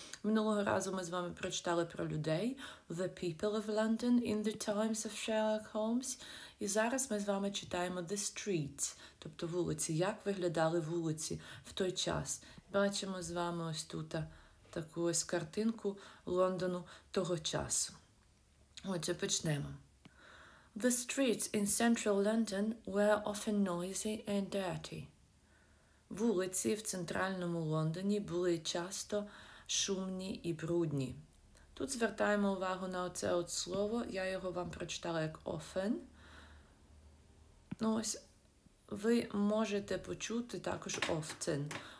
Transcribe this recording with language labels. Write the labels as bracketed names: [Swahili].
[Ukrainian] Минулого разу ми з вами прочитали про людей, The People of London in the Times of Sherlock Holmes. І зараз ми з вами читаємо The Streets, тобто вулиці, як виглядали вулиці в той час. Бачимо з вами ось тут таку ось картинку Лондону того часу. Отже, почнемо. [English] The streets in central London were often noisy and dirty. [Ukrainian] Вулиці в центральному Лондоні були часто шумні і брудні. Тут звертаємо увагу на оце от слово. Я його вам прочитала як often. Ну ось, ви можете почути також often.